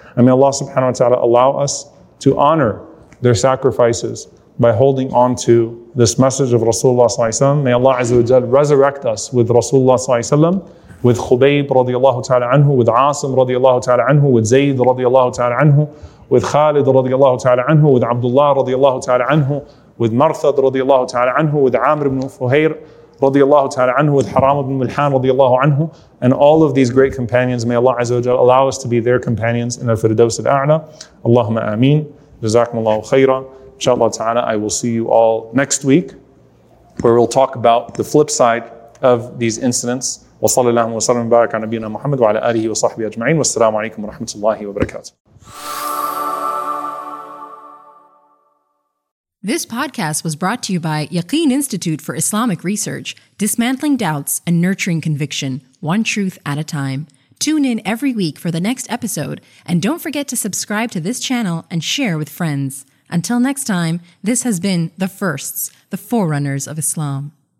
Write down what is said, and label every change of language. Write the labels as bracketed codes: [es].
[en] And may Allah subhanahu wa ta'ala allow us to honor their sacrifices by holding on to this message of Rasulullah sallallahu alayhi wa sallam. May Allah azza wa jal resurrect us with Rasulullah sallallahu alayhi wa sallam, with Khubayb radiallahu ta'ala anhu, with Asim radiallahu ta'ala anhu, with Zayd radiallahu ta'ala anhu, with Khalid radiallahu ta'ala anhu, with Abdullah radiallahu ta'ala anhu, with Marthad radiallahu ta'ala anhu, with Amr ibn Fuhayr radiallahu ta'ala anhu, with Haram ibn Milhan radiallahu anhu, and all of these great companions. May Allah Azza wa Jalla allow us to be their companions in al-Firdaws al-A'la. [ar] Allahumma ameen. Jazakumullahu khairan. [en] Inshallah ta'ala, I will see you all next week, where we'll talk about the flip side of these incidents. [ar] وصلى الله وسلم وبارك على نبينا محمد وعلى آله وصحبه أجمعين والسلام عليكم ورحمة الله وبركاته. [en] This podcast was brought to you by Yaqeen Institute for Islamic Research, dismantling doubts and nurturing conviction, one truth at a time. Tune in every week for the next episode, and don't forget to subscribe to this channel and share with friends. Until next time, this has been The Firsts, the forerunners of Islam.